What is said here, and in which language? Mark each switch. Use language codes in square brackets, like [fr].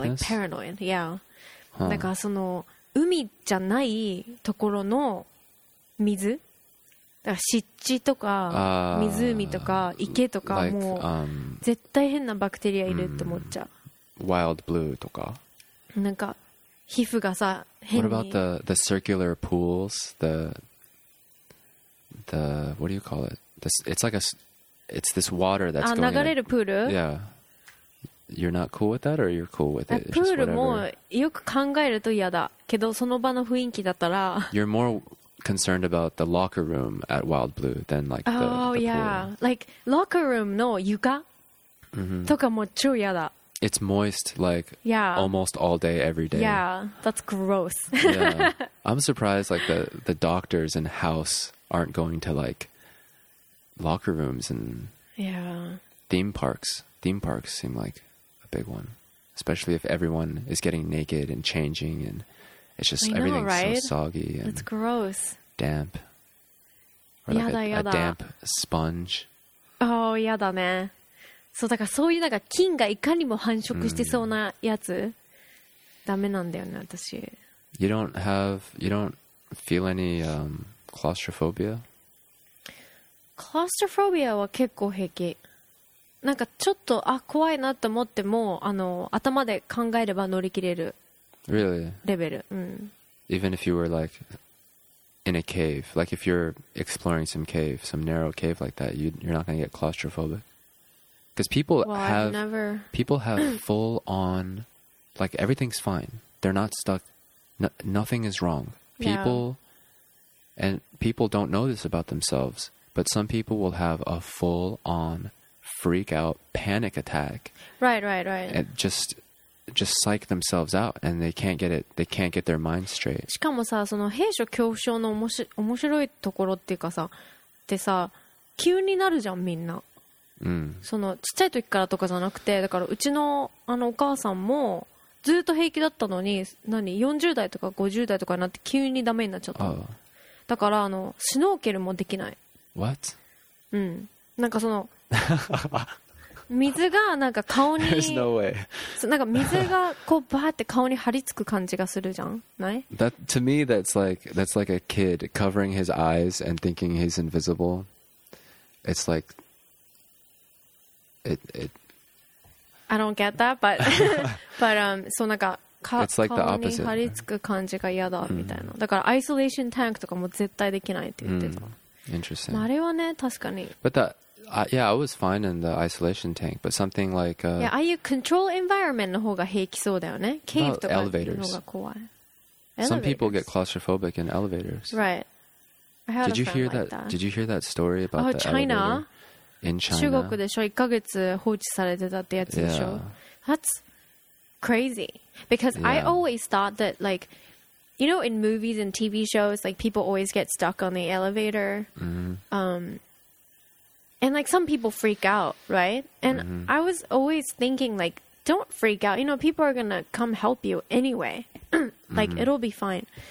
[en] Like paranoid, yeah. [ja] なんかその、海じゃないところの水、だから湿地とか、湖とか、池とか、もう、絶対変なバクテリアいるって思っちゃう。 Wild blue とか。なんか、皮膚がさ、 [en] What about the circular pools? The what do you call it? This, it's like a, it's this water that's going in. [ja] 流れるプール? [en] Yeah. You're not cool with that or you're cool with it? [ja] プールもよく考えると嫌だ。けどその場の雰囲気だったら。 [en] You're more concerned about the locker room at Wild Blue than like the, oh, the pool. Oh yeah. Like locker room [ja] の床、 [en] mm-hmm. [ja] とかも超嫌だ。 [en] It's moist like yeah. almost all day every day. Yeah. That's gross. yeah. I'm surprised like the doctors in house aren't going to like locker rooms and yeah. theme parks. Theme parks seem like a big one. Especially if everyone is getting naked and changing and it's just I know, everything's right? so soggy and it's gross. Damp. Or like a damp sponge. Oh, yeah, [ja] da ne. So, だからそういうなんか菌がいかにも繁殖してそうなやつ、ダメなんだよね、私。 [en] You don't have, you don't feel any, claustrophobia? [ja] Claustrophobia は結構平気。なんかちょっと、あ、怖いなって思っても、頭で考えれば乗り切れる。 [en] Really? [ja] レベル。うん。 [en] Even if you were like in a cave, like if you're exploring some cave, some narrow cave like that, you're not going to get claustrophobic. Because people well, have never... people have full on, like everything's fine. They're not stuck. Nothing is wrong. People yeah. and people don't know this about themselves, but some people will have a full on freak out panic attack. Right, right, right. And just psych themselves out, and they can't get it. They can't get their mind straight. [ja] しかもさ、その閉所恐怖症の面白いところっていうかさ、ってさ、急になるじゃんみんな。うん、そのちっちゃい時からとかじゃなくてだからうち の, あのお母さんもずっと平気だったのに何40代とか50代とかになって急にダメになっちゃった、 [en] oh. [ja] だからあのシュノーケルもできない [en] What? [ja] うんなんかその水がなんか顔に [en] There's no way [ja] なんか水がこうバーって顔に張り付く感じがするじゃんない [en] that, To me that's like a kid covering his eyes and thinking he's invisible It's likeIt I don't get that, but but so なんか It's like the opposite. [ja] 顔に張り付く感じが嫌だみたいな。だからアイソレーションタンクとかも絶対できないって言ってた。 [en] Mm. Interesting. [ja] まあ、あれはね、確かに。 [en] But that, yeah, I was fine in the isolation tank, but something like [ja] yeah, ああいう [en] control environment [ja] の方が平気そうだよね。Cave とかの方が怖い。 [en] Elevators. Some people get claustrophobic in elevators. Right. I had did you hear that? That? Did you hear that story about oh, the China? Elevator? In China. [ja] 中国でしょ1ヶ月放置されてたってやつでしょ、 [en] yeah. That's crazy. Because、 yeah. I always thought that like, you know in movies and TV shows, like people always get stuck on the elevator.、 Mm-hmm. And like some people freak out, right? And、mm-hmm. I was always thinking like, don't freak out. You know, people are going to come help you anyway. like、mm-hmm. it'll be fine.